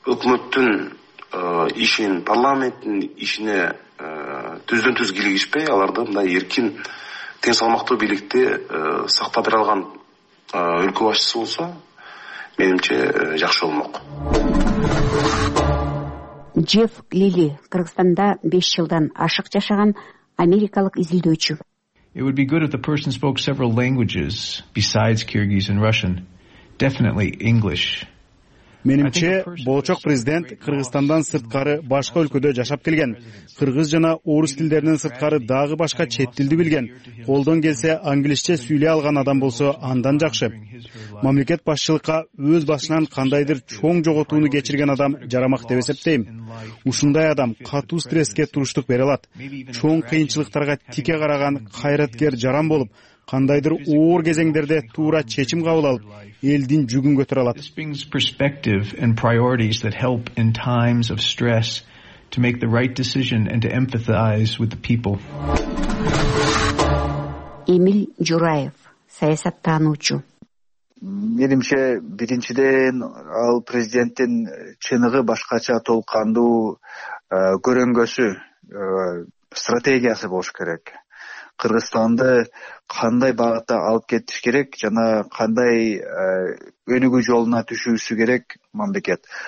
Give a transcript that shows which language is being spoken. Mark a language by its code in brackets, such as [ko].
[ky] Өкмөттүн ишин, парламенттин ишине түздөн түз кийлигишпей, аларды мындай эркин тең салмактуу бийликти сактадыра алган өлкө башчысы болсо менимче жакшы болмок. Джефф Лили Кыргызстанда 5 жылдан ашык жашаган америкалык изилдөөчү. [en] It would be good if the person spoke several languages besides Kyrgyz and Russian. Definitely English. [ky] Менимче, болочок президент Кыргызстандан сырткары башка өлкөдө жашап келген. Кыргыз жана орус тилдеринен сырткары дагы башка чет тилди билген. Колдон келсе англисче сүйлөй алган адам болсо андан жакшы. Мамлекет башчылыкка өз башынан кандайдыр чоң жоготууну кечирген адам жарамак деп эсептейм. Ушундай адам катуу стресске туруштук бере алат. Чоң кыйынчылыктарга тике караган кайраткер жарам болуп кандайдыр оор кезеңдерде туура чечим кабыл алып, элдин жүгүн көтөрө алат. [en] This brings perspective and priorities that help in times of stress to make the right decision and to empathize with the people. [ky] Эмиль Жураев, саясаттануучу. Менимче, биринчиден ал президенттин чыныгы башкача толкандуу көрөнгөсү, стратегиясы болуш керек. Кыргызстанды кандай багытта алып кетиш керек жана кандай өнүгүү жолуна түшүүсү керек мамлекет.